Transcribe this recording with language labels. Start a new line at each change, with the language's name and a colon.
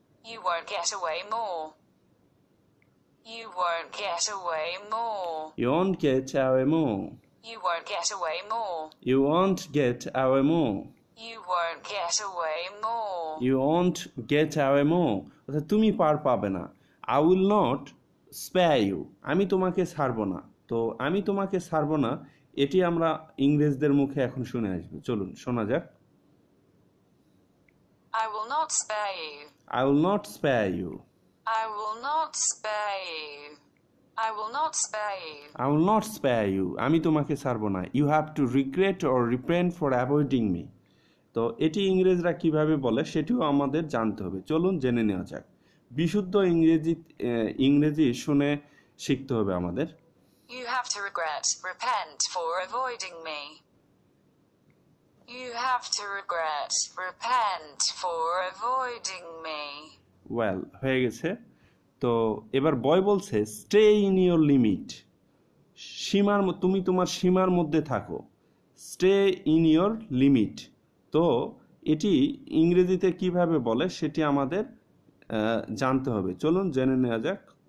English: you won't get away more, you won't get away more, you won't get away more, you won't get away more, you won't get away more, you won't get away more, you won't get away more,
Bangla: অর্থাৎ তুমি পার পাবে না।
English: I will not spare you,
Bangla: আমি তোমাকে ছাড়বো না। তো আমি তোমাকে ছাড়বো না এটি আমরা ইংরেজদের মুখে এখন শুনে আসবো। চলুন শোনা যাক।
English: I will not spare you, I will not spare you, I will not spare you, I will not spare you, I will not spare you,
Bangla: আমি তোমাকে ছাড়বো না।
English: You have to regret or repent for avoiding me.
Bangla: তো এটি ইংরেজরা কিভাবে বলে সেটিও আমাদের জানতে হবে। চলুন জেনে নেওয়া যাক। বিশুদ্ধ ইংরেজি ইংরেজি শুনে শিখতে হবে আমাদের।
English: You have to regret, repent for avoiding me. You have to regret, repent for avoiding me.
Bangla: Well, হয়ে গেছে। তো এবার বয় বলছে,
English: stay in your limit,
Bangla: সীমার, তুমি তোমার সীমার মধ্যে থাকো, স্টে ইন ইউর লিমিট। তো এটি ইংরেজিতে কিভাবে বলে সেটি আমাদের জানতে হবে। চলুন জেনে নেওয়া যাক।